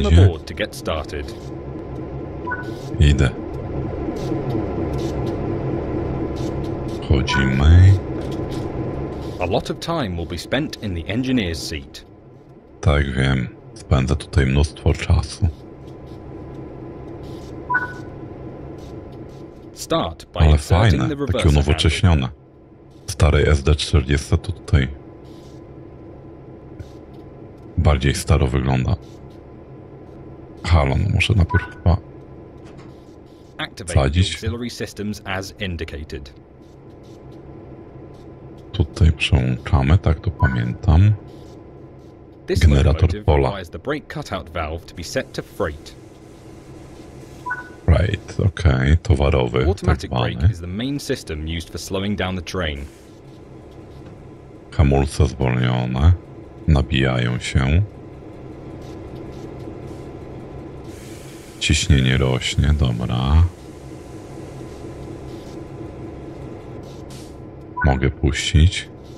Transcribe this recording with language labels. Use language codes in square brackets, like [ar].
[en] Climb aboard to get started. [pl] Idę. Chodzimy. [en] A lot of time will be spent in the engineer's seat. [pl] Tak wiem, spędzę tutaj mnóstwo czasu. [en] Start by [pl] Ale fajne, takie unowocześnione. Starej SD40 to tutaj bardziej staro wygląda. Halo, no muszę najpierw chyba wsadzić. [en] Auxiliary systems as indicated. [pl] Tutaj przełączamy, tak to pamiętam. Generator pola. [en] The brake cutout valve to be set to freight. Right, okay, towarowy. Automatic brake is the main system used for slowing down the train. [pl] Hamulce zwolnione, nabijają się. Ciśnienie rośnie, dobra. Mogę puścić.